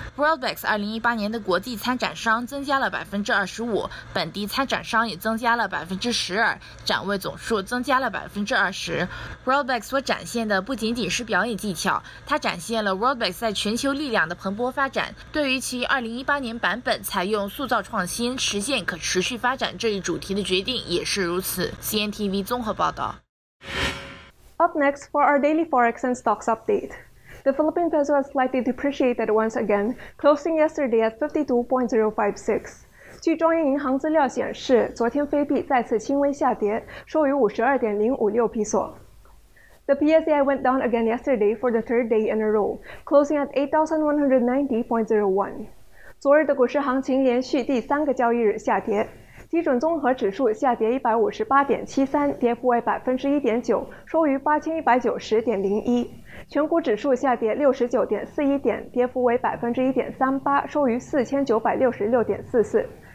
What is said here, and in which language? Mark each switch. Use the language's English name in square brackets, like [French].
[Chinese] WorldBEX 2018年的国际参展商增加了 25%， 本地参展商也增加了 12%， 展位总数增加了 20%。 WorldBEX 所展现的不仅仅是表演技巧，它展现了 WorldBEX 在全球力量的蓬勃发展。对于其2018年版本采用塑造创新实现可持续发展这一主题的决定也是如此。 CNTV 综合报道。 [English] Up next for our daily forex and stocks update. The Philippine peso has slightly depreciated once again, closing yesterday at 52.056. [Chinese] 据中央银行资料显示，昨天菲币再次轻微下跌，收于 52.056 peso. [English] The PSI went down again yesterday for the third day in a row, closing at 8,190.01. [Chinese] 昨日的股市行情连续第三个交易日下跌，基准综合指数下跌 158.73， 跌幅为 1.9%， 收于 8190.01。全股指数下跌 69.41 点，跌幅为 1.38%， 收于 4966.44。